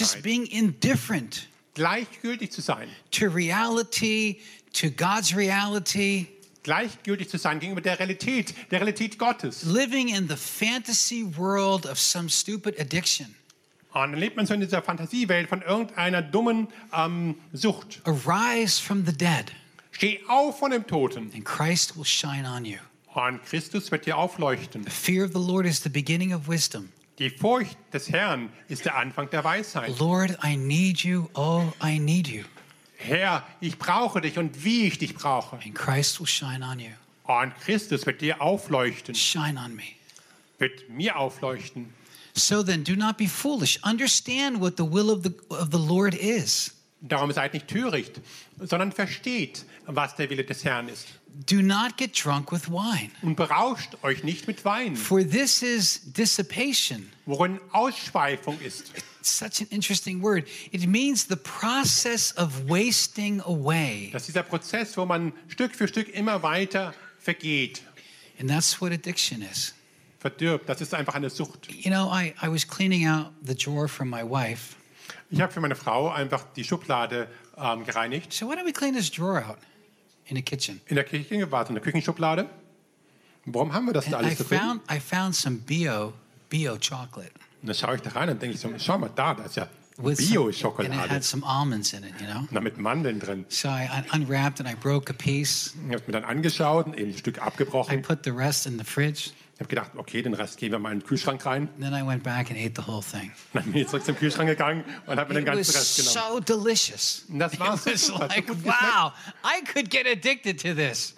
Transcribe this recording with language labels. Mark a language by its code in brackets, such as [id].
[en] Just being indifferent. [de] Gleichgültig zu sein. [en] To reality, to God's reality. [de] Gleichgültig zu sein gegenüber der Realität Gottes. [en] Living in the fantasy world of some stupid addiction. [de] Und dann lebt man so in dieser Fantasiewelt von irgendeiner dummen Sucht. [en] Arise from the dead. [de] Steh auf von dem Toten. [en] And Christ will shine on you. [de] Und Christus wird dir aufleuchten. [en] The fear of the Lord is the beginning of wisdom. [de] Die Furcht des Herrn ist der Anfang der Weisheit. [en] Lord, I need you. Oh, I need you. [de] Herr, ich brauche dich und wie ich dich brauche. [en] And Christ will shine on you. [de] Und Christus wird dir aufleuchten. [en] Shine on me. [de] Wird mir aufleuchten. [en] So then, do not be foolish. Understand what the will of the Lord is. [de] Darum seid nicht töricht, sondern versteht, was der Wille des Herrn ist. [en] Do not get drunk with wine. [de] Und berauscht euch nicht mit Wein. [en] For this is dissipation. [de] Worin Ausschweifung ist. [en] It's such an interesting word. It means the process of wasting away. [de] Das ist dieser Prozess, wo man Stück für Stück immer weiter vergeht. [en] And that's what addiction is. [de] Verdirbt, das ist einfach eine Sucht. [en] You know, I was cleaning out the drawer for my wife. [de] Ich habe für meine Frau einfach die Schublade gereinigt. [en] So why don't we clean this drawer out? In the kitchen. [de] In der Küche gewartet, in der Küchenschublade. Warum haben wir das [en] and [de] da alles so drin? [en] I found some bio chocolate. [de] Und dann schaue ich da rein und denke ich so, schau mal da, das ist ja Bio-Schokolade. [en] And it had some almonds in it, you know? [de] Und mit Mandeln drin. [en] So I unwrapped and I broke a piece. [de] Ich habe mir dann angeschaut und eben ein Stück abgebrochen. [en] I put the rest in the fridge. [de] Ich habe gedacht, okay, den Rest geben wir mal in den Kühlschrank rein. [en] Then I went back and ate the whole thing. [de] Dann bin ich zurück zum Kühlschrank gegangen und habe mir den ganzen Rest genommen. [en] So delicious. [de] Das war so super. [en] Like, wow, I could get addicted to this.